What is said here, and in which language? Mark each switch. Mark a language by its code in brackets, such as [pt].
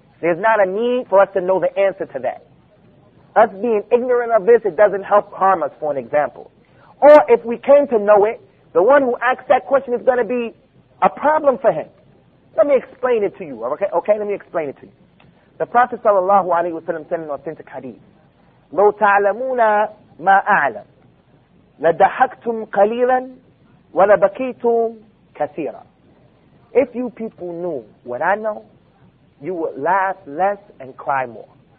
[en] There's not a need for us to know the answer to that. Us being ignorant of this, it doesn't help harm us, for an example. Or if we came to know it, the one who asks that question is going to be a problem for him. Let me explain it to you, okay? Okay, let me explain it to you. The Prophet sallallahu alaihi wasallam said in an authentic hadith, [ar] لو تعلمون ما أعلم لضحكتم قليلا ولبكيتم كثيرا. [en] If you people knew what I know, you would laugh less and cry more.